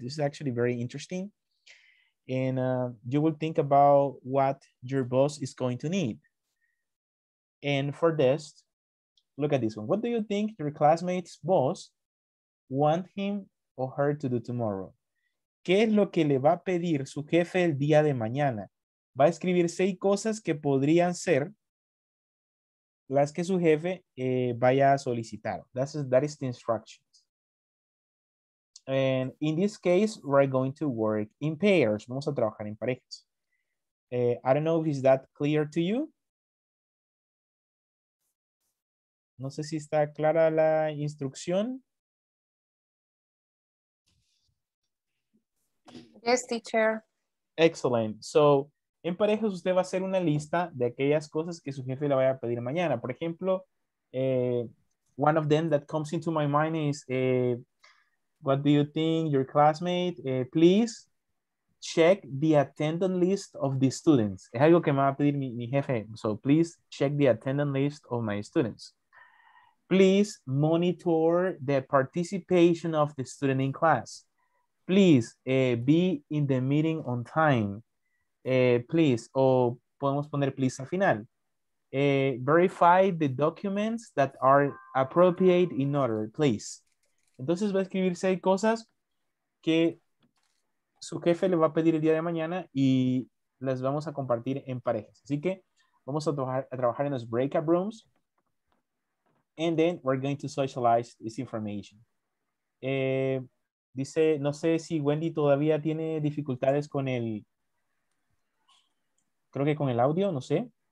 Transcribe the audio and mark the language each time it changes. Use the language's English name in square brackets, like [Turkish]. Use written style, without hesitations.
[English] This is actually very interesting. And you will think about what your boss is going to need. And for this, look at this one. What do you think your classmate's boss want him or her to do tomorrow? [Spanish] ¿Qué es lo que le va a pedir su jefe el día de mañana? Va a escribir seis cosas que podrían ser las que su jefe vaya a solicitar. [English] That is the instructions. And in this case, we're going to work in pairs. [Spanish] Vamos a trabajar en parejas. [English] I don't know if is that clear to you. [Spanish] No sé si está clara la instrucción. [English] Yes, teacher. Excellent. [Spanish] So, en parejas usted va a hacer una lista de aquellas cosas que su jefe le vaya a pedir mañana. Por ejemplo, [English] one of them that comes into my mind is, what do you think your classmate, please check the attendance list of the students. [Spanish] Es algo que me va a pedir mi jefe. [English] So, please check the attendance list of my students. Please monitor the participation of the student in class. Please be in the meeting on time. Please, [Spanish] o podemos poner please al final. [English] Verify the documents that are appropriate in order, please. [Spanish] Entonces va a escribir seis cosas que su jefe le va a pedir el día de mañana y las vamos a compartir en parejas. Así que vamos a trabajar en los breakout rooms. [English] And then we're going to socialize this information. [Spanish] Dice, no sé si Wendy todavía tiene dificultades con el, creo que con el audio, no sé.